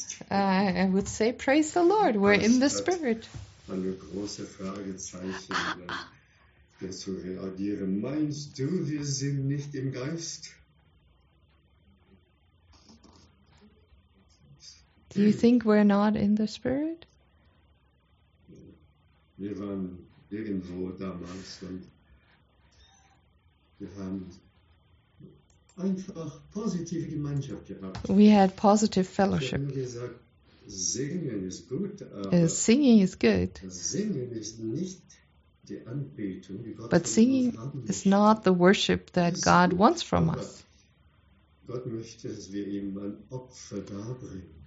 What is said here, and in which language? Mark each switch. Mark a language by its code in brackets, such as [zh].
[en] I would say, praise the Lord, we're in the Spirit. [de] Meinst du, wir sind nicht im Geist? [en] Do you think we're not in the Spirit? [de] Irgendwo damals und wir haben einfach positive Gemeinschaft gehabt. [en] We had positive fellowship. [de] Wir haben gesagt, singen ist gut, aber [en] singing is good. [de] Singen ist nicht die Anbetung, die Gott [en] but singing is not the worship that God wants from us. [de] Gott möchte, dass wir ihm ein Opfer darbringen.